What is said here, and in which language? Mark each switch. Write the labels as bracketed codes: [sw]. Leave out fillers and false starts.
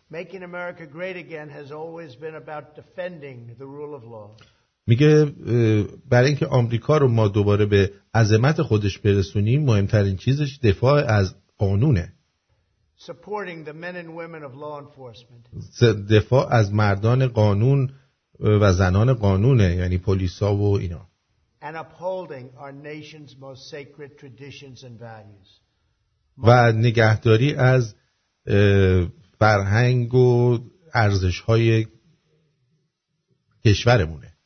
[en] Making America great again has always been about defending the rule of law. [fa] میگه برای اینکه آمریکا رو ما دوباره به عظمت خودش برسونیم مهمترین چیزش دفاع از قانونه. [en] Supporting the men and women of law enforcement. [fa] دفاع از مردان قانون و زنان قانونه، یعنی پلیسا و اینا. [en] And upholding our nation's most sacred traditions and values. [fa] و نگهداری از فرهنگ و ارزش‌های کشورمونه.